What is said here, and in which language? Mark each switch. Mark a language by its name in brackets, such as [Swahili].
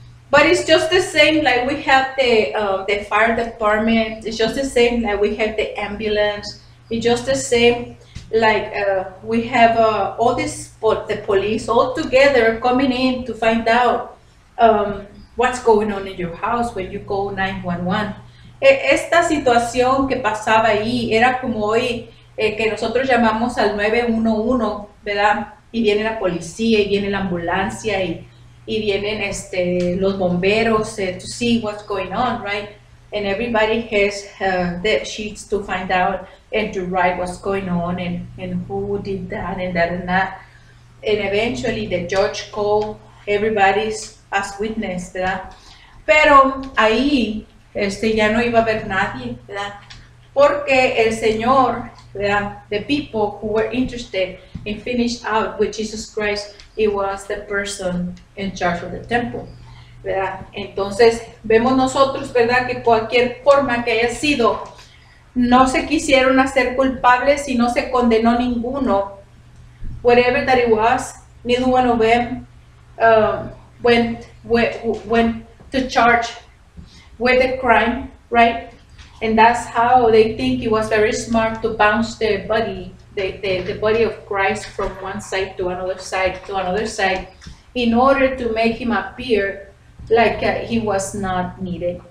[English] But it's just the same, like we have the fire department, it's just the same, like we have the ambulance, it's just the same, like we have all this, the police all together coming in to find out what's going on in your house when you call 911. [Spanish] Esta situación que pasaba ahí era como hoy que nosotros llamamos al 911, ¿verdad? Y viene la policía, y viene la ambulancia, y vienen los bomberos [English] to see what's going on, right? And everybody has their sheets to find out and to write what's going on and who did that and that and that. And eventually the judge called everybody as witness, ¿verdad? [Spanish] Pero ahí ya no iba a haber nadie, ¿verdad? Porque el Señor, ¿verdad? [English] The people who were interested in finishing out with Jesus Christ, it was the person in charge of the temple, ¿verdad? [Spanish] Entonces, vemos nosotros, ¿verdad? Que cualquier forma que haya sido, no se quisieron hacer culpables y no se condenó ninguno. [English] Whatever that it was, neither one of them went to charge with the crime, right? And that's how they think it was very smart to bounce the body, the body of Christ from one side to another side, in order to make him appear like he was not needed.